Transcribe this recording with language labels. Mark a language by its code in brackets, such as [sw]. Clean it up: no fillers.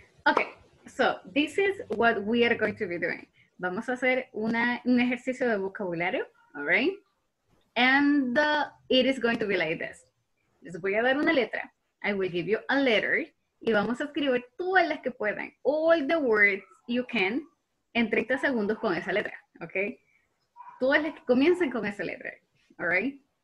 [en] Okay, so this is what we are going to be doing. [es] Vamos a hacer un ejercicio de vocabulario, [en] all right? And it is going to be like this. [es] Les voy a dar una letra. [en] I will give you a letter. [es] Y vamos a escribir todas las que puedan. [en] All the words you can [es] en 30 segundos con esa letra, okay? Todas las que comienzan con esa letra, [en] all right?